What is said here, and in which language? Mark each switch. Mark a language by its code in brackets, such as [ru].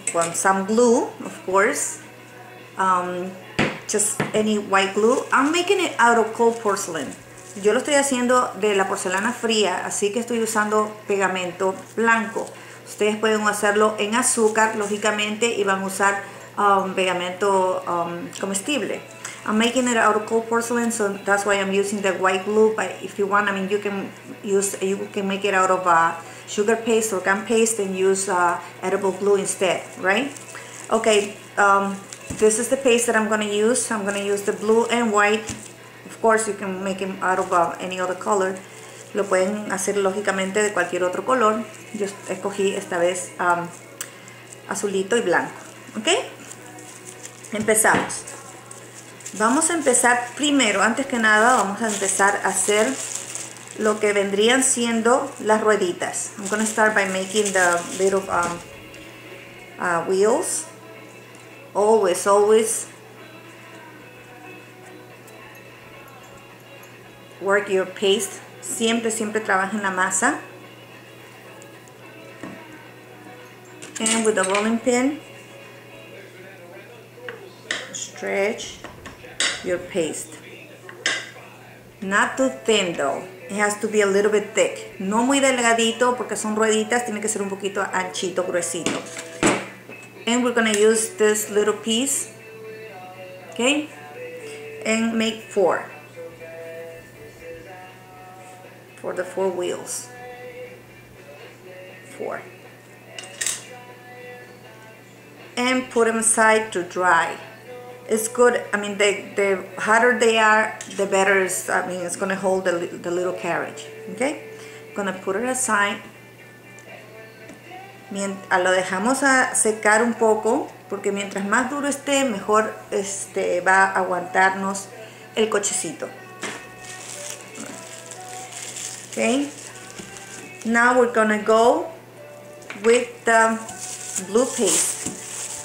[en] Some glue, of course. Just any white glue. I'm making it out of cold porcelain. [es] Yo lo estoy haciendo de la porcelana fría, así que estoy usando pegamento blanco. Ustedes pueden hacerlo en azúcar, lógicamente, y van a usar pegamento comestible. [en] I'm making it out of cold porcelain, so that's why I'm using the white glue. But if you want, I mean, you can make it out of sugar paste or gum paste and use edible glue instead, right? Okay, this is the paste that I'm going to use. I'm going to use the blue and white. Of course, you can make them out of any other color. [es] Lo pueden hacer lógicamente de cualquier otro color. Yo escogí esta vez azulito y blanco. ¿Ok? Empezamos. Vamos a empezar primero, antes que nada, vamos a empezar a hacer lo que vendrían siendo las rueditas. [en] I'm going to start by making the little wheels. Always, always. Work your paste. [es] Siempre, siempre trabaja en la masa. [en] And with a rolling pin, stretch your paste. Not too thin though. It has to be a little bit thick. [es] No muy delgadito porque son rueditas. Tiene que ser un poquito anchito, gruesito. [en] And we're gonna use this little piece. Okay? And make four. For the four wheels. Four. And put them aside to dry. It's good, I mean, the hotter they are, the better is, I mean, it's gonna hold the little carriage. Okay? I'm gonna put it aside. [es] Mientras lo dejamos a secar un poco, porque mientras más duro esté, mejor este va a aguantarnos el cochecito. [en] Okay, now we're gonna go with the blue paste.